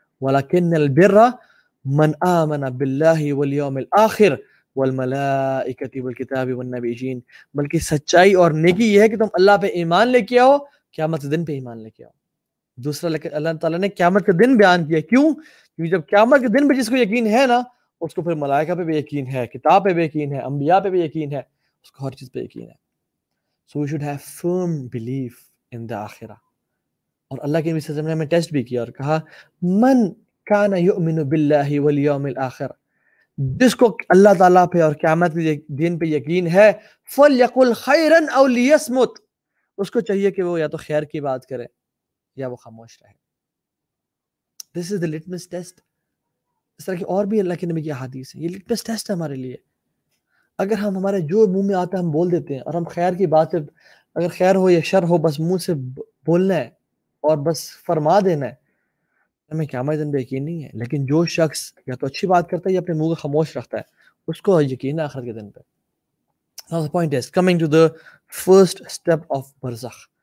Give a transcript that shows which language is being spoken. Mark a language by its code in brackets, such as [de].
[ar] ولکن البر من آمن باللہ والیوم الآخر والملائکہ والکتاب والنبیین, [ur] بلکہ سچائی اور نیکی یہ ہے کہ تم اللہ پہ ایمان لے کے آؤ, قیامت کے دن پہ ایمان لے کے آؤ. دوسرا اللہ تعالیٰ نے قیامت کا دن بیان کیا, کیوں؟ کیونکہ جب قیامت کے دن پہ جس کو یقین ہے نا, اس کو پھر ملائکہ پہ بھی یقین ہے, کتاب پہ بھی یقین ہے, انبیاء پہ بھی یقین ہے, اس کو ہر چیز پہ یقین ہے. [en] So we should have firm belief in the akhirah. [ur] اور اللہ کے نبی صلی اللہ علیہ وسلم نے ٹیسٹ بھی کیا اور کہا [ar] من کان یؤمن باللہ والیوم الاخر, [ur] جس کو اللہ تعالیٰ پہ اور قیامت کے دن پہ یقین ہے, [ar] فلیقل خیرا او لیسمت, [ur] اس کو چاہیے کہ وہ یا تو خیر کی بات کرے یا وہ خاموش رہے. [en] This is the litmus test. [ur] اس طرح کی اور بھی اللہ کے نبی کی احادیث ہیں, یہ litmus test ہے ہمارے لیے. اگر ہم ہمارے جو منہ میں آتا ہے ہم بول دیتے ہیں, اور ہم خیر کی بات سے اگر خیر ہو یا شر ہو بس منہ سے بولنا ہے اور بس فرما دینا ہے, ہمیں قیامت دن پہ یقین نہیں ہے. لیکن جو شخص یا تو اچھی بات کرتا ہے یا اپنے منہ کو خاموش رکھتا ہے, اس کو یقین ہے آخرت کے دن پہ. [en] Now the point is coming to the first step of barzakh.